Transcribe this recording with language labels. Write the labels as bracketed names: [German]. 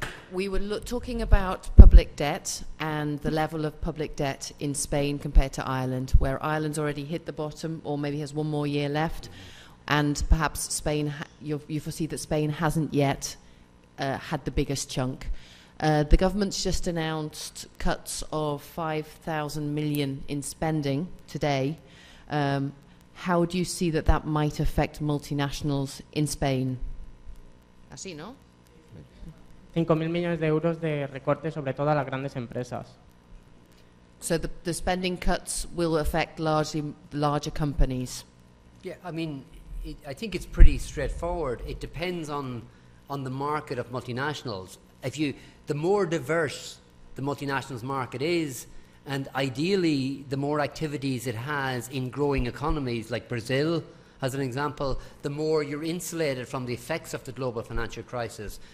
[English] We were talking about public debt and the level of public debt in Spain compared to Ireland, where Ireland's already hit the bottom or maybe has one more year left, and perhaps Spain, you foresee that Spain hasn't yet had the biggest chunk. The government's just announced cuts of 5,000 million in spending today. How do you see that that might affect multinationals in Spain? [Spanish] Así, ¿no? 5.000 millones de euros de recortes, sobre todo a las grandes empresas. [English] So the spending cuts will affect larger companies. Yeah, I mean, I think it's pretty straightforward. It depends on the market of multinationals. The more diverse the multinationals market is, and ideally, the more activities it has in growing economies, like Brazil, as an example, the more you're insulated from the effects of the global financial crisis.